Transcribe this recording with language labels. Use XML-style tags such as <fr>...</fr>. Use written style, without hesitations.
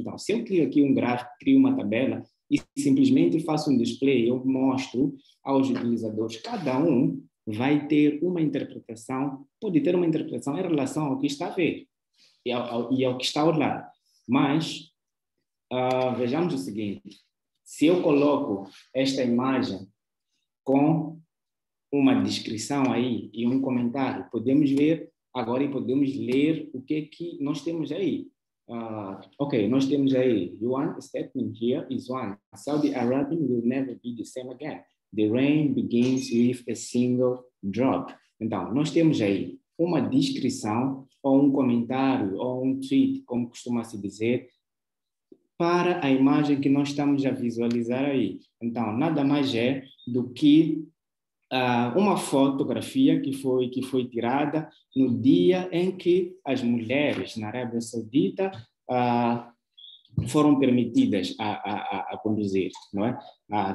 <pt>Então, se eu crio aqui um gráfico, crio uma tabela e simplesmente faço um display, eu mostro aos utilizadores, cada um vai ter uma interpretação, pode ter uma interpretação em relação ao que está a ver e ao que está a olhar. Mas, vejamos o seguinte, se eu coloco esta imagem com uma descrição aí e um comentário, podemos ver agora e podemos ler o que é que nós temos aí.</pt> <en>Ok,</en> <pt>nós temos aí,</pt> <en>one statement here is one, Saudi Arabia will never be the same again. The rain begins with a single drop.</en> <pt>Então, nós temos aí uma descrição ou um comentário ou um tweet, como costuma-se dizer, para a imagem que nós estamos a visualizar aí. Então, nada mais é do que uma fotografia que foi tirada no dia em que as mulheres na Arábia Saudita foram permitidas a conduzir, não é?</pt>